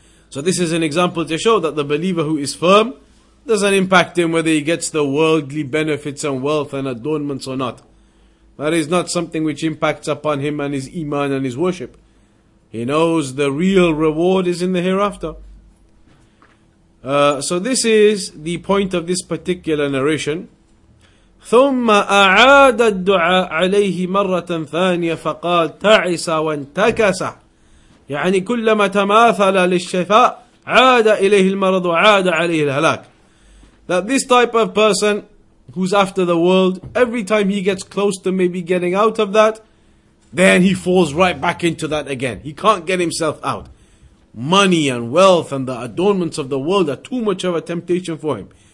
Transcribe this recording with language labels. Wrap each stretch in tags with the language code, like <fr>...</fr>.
<en>So this is an example to show that the believer who is firm doesn't impact him whether he gets the worldly benefits and wealth and adornments or not. That is not something which impacts upon him and his iman and his worship. He knows the real reward is in the hereafter. So this is the point of this particular narration.</en> <ar>ثُمَّ أَعَادَ الدُّعَى عَلَيْهِ مَرَّةً ثَانِيَةً فَقَالْ تَعِسَ وَانْتَكَسَ يعني كلما تماثل للشفاء عاد إليه المرض وعاد عليه الهلاك.</ar> <en>That this type of person who's after the world, every time he gets close to maybe getting out of that, then he falls right back into that again. He can't get himself out. Money and wealth and the adornments of the world are too much of a temptation for him.</en>